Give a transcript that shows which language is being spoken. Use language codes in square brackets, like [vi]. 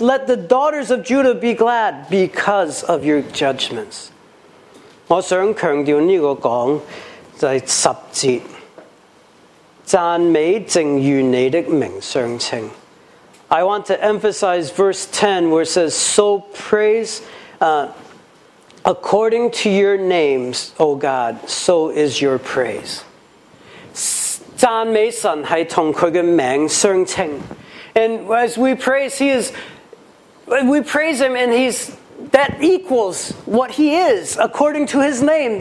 [en] Let the daughters of Judah be glad because of your judgments. [zh] 我想强调这个讲就是十节赞美正如你的名相称。 [en] I want to emphasize verse 10 where it says, so praise according to your names, O God, so is your praise. [zh] 赞美神是同他的名相称。 [en] And as we praise, we praise him and he's, that equals what he is according to his name.